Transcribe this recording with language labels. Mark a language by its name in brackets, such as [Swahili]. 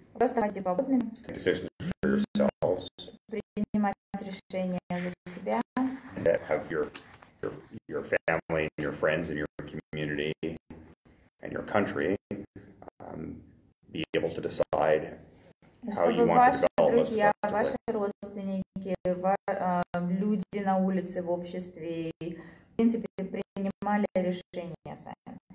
[Russian] Просто хотите свободным. [English] Make decisions for yourselves. [Russian] Принимать решения за себя. [English] That have your family and your friends and your community and your country be able to decide how you want to develop [Russian] Чтобы ваши друзья, ваши родственники, люди на улице, в обществе, в принципе, принимали решения сами.